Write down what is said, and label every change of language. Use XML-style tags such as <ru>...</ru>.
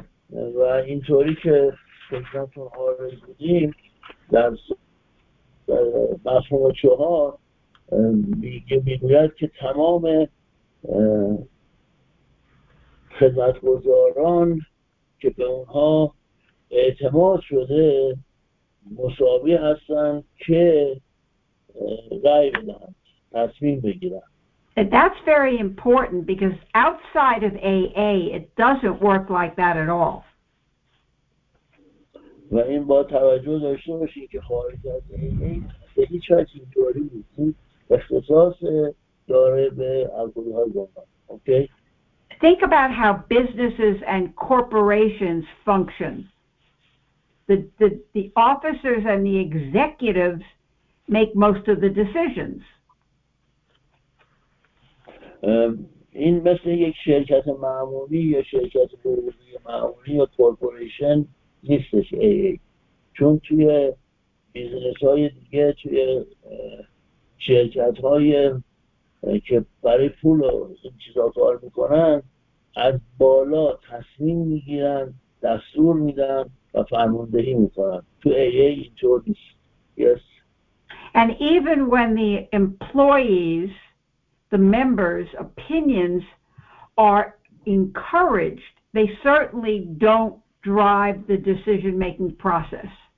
<fa>و اینطوری که خدمتتون آرز بودیم در مفهوم چهار میگوید که تمام خدمتگزاران که به اونها اعتماد شده مساوی هستند که رأی بدن، تصمیم بگیرن.</fa> <en>And that's very important because outside of AA it doesn't work like that at all.</en> <fa>و این با توجه داشته باشین که خارج از AA به هیچ وجه اینطوری نیست، اختصاص داره به الگوهای گمان. اوکی؟</fa> <en>Think about how businesses and corporations function. The officers and the executives make most of the decisions.</en> <fa>این مثل یک شرکت معمولی یا شرکت بزرگ معمولی یا کورپوریشن نیستش AA. چون توی بیزنس های دیگه، توی شرکت های که برای پول و این چیزا کار میکنن، از بالا تصمیم میگیرن، دستور میدن و فرماندهی میکنن. تو AA اینطور نیست. Yes.</fa> <en>And even when the employees, the members' opinions are encouraged, they certainly don't drive the decision making process.</en>